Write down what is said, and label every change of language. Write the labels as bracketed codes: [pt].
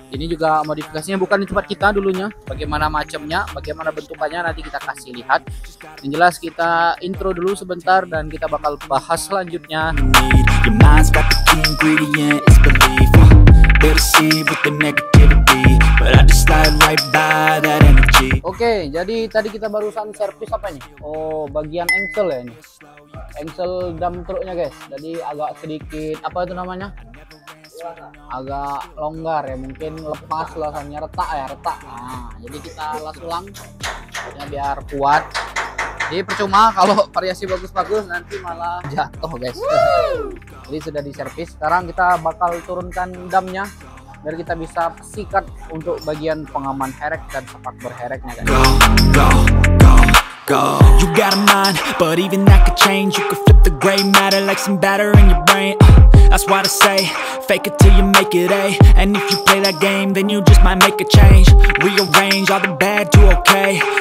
[id] Ini juga modifikasinya bukan di tempat kita dulunya. Bagaimana macamnya, bagaimana bentukannya, nanti kita kasih lihat. Yang jelas kita intro dulu sebentar dan kita bakal bahas selanjutnya. [en] Your mind's got the key ingredient, it's belief. They'll see with the negativity, but I just slide right by that energy. [id] Oke, jadi tadi kita barusan servis apa ini? Oh, bagian engsel ya ini. Engsel dump truck-nya, guys. Jadi agak sedikit apa itu namanya? Agak longgar ya, mungkin lepas lasannya, retak ya, retak. Nah, jadi kita las ulang ya, biar kuat. Jadi percuma kalau variasi bagus-bagus nanti malah jatuh, guys. Jadi sudah di servis. Sekarang kita bakal turunkan dumpnya biar kita bisa sikat untuk bagian pengaman herek dan spakbor hereknya, guys. [en] Go, go, go, go. You got a mind, but even that could change. You could flip the gray matter like some batter in your brain. That's why I say, fake it till you make it, eh? And if you play that game, then you just might make a change. Rearrange all the bad to okay.